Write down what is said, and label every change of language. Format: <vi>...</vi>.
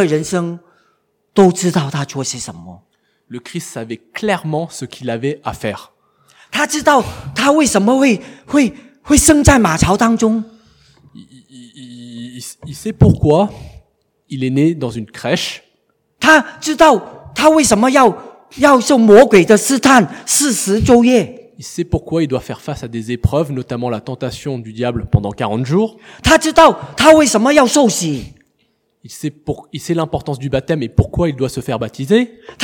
<zh>耶稣他整个人生都知道他做些什么。</zh> <fr>Le Christ savait clairement ce qu'il avait à faire.</fr> <zh>他知道他为什么会生在马槽当中。</zh> <fr>Il sait pourquoi il est né dans une crèche.</fr> <zh>他知道他为什么要受魔鬼的试探40昼夜。</zh> <fr>Il sait pourquoi il doit faire face à des épreuves, notamment la tentation du diable pendant 40 jours.</fr> <zh>他知道他为什么要受洗。</zh> <fr>Il sait l'importance du baptême et pourquoi il doit se faire baptiser.</fr>